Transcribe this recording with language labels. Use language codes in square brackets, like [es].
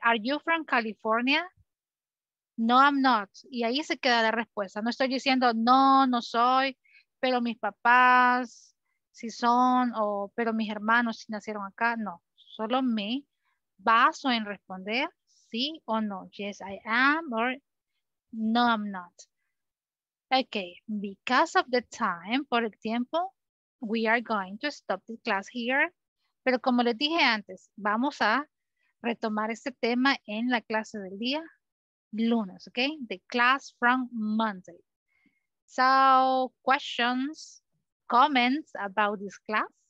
[en] Are you from California? No, I'm not. [es] Y ahí se queda la respuesta. No estoy diciendo no, no soy, pero mis papás si son, o pero mis hermanos si nacieron acá. No, solo me baso en responder sí o no. [en] Yes, I am, or no, I'm not. Okay, because of the time, [es] por el tiempo, [en] we are going to stop the class here. [es] Pero como les dije antes, vamos a retomar este tema en la clase del día lunes, okay? [en] The class from Monday. So, questions, comments about this class?